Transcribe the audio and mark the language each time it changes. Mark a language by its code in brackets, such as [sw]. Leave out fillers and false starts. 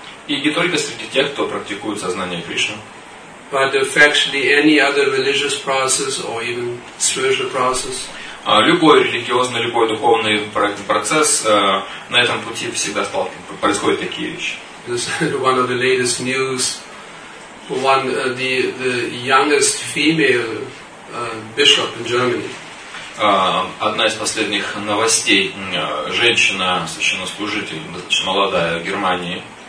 [ru] И не только среди тех, кто практикует сознание Кришны. [en] But effectively any other religious process or even spiritual process. [ru] Любой религиозный, любой духовный процесс на этом пути всегда происходят такие вещи. [en] This is one of the latest news. The youngest female bishop in Germany. [ru] Одна из последних новостей. Женщина, священнослужитель, достаточно молодая, в Германии.